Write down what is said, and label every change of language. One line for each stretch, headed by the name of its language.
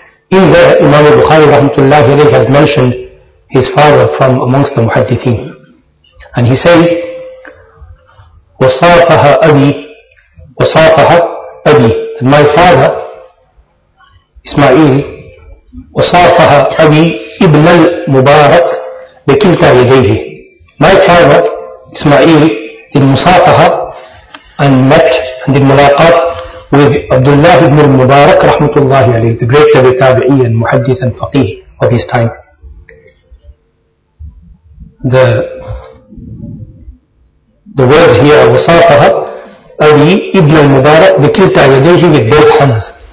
English: In there, Imam al-Bukhari rahmatullahi alayhi has mentioned his father from amongst the muhaddithin. And he says,
Arabic: وَصَافَهَا أَبِي وَصَافَهَا أَبِي.
English: And my father, Ismail,
Arabic: وصافها أبي ابن المبارك بكلتا يديه.
English: My father Ismail did مصافها and met and did ملاقات with Abdullah ibn al-Mubarak
Arabic: رحمة الله عليه,
English: the great tabi tabi'i and muhaddith and faqih of his time. The words here,
Arabic: وصافها أبي ابن المبارك بكلتا يديه
English: with both hands.